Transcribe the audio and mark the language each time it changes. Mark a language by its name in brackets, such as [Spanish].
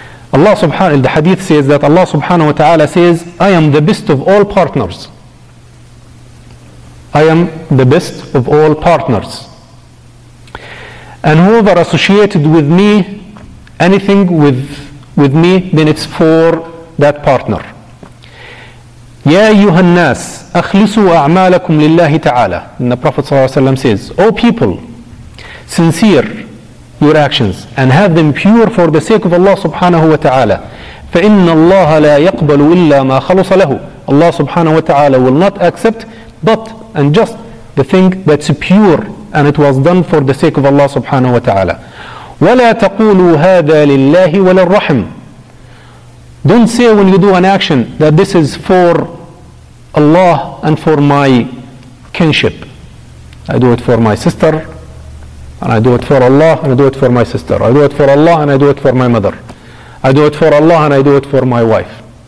[English] Allah subhanahu wa ta'ala, the hadith says that Allah subhanahu wa ta'ala says, I am the best of all partners. I am the best of all partners. And whoever associated with me, anything with me, then it's for that partner. [Arabic] يا أيها الناس أخلصوا أعمالكم لله تعالى. [English] And the Prophet [Arabic] صلى الله عليه وسلم [English] says, O people, sincere your actions and have them pure for the sake of Allah subhanahu wa ta'ala. [Arabic] فإن الله لا يقبل إلا ما خلص له. [English] Allah subhanahu wa ta'ala will not accept but and just the thing that's pure and it was done for the sake of Allah subhanahu wa ta'ala. [Arabic] ولا تقولوا هذا لله وللرحم. [English] Don't say when you do an action that this is for Allah and for my kinship. I do it for my sister, and I do it for Allah, and I do it for my sister. I do it for Allah, and I do it for my mother. I do it for Allah, and I do it for my wife.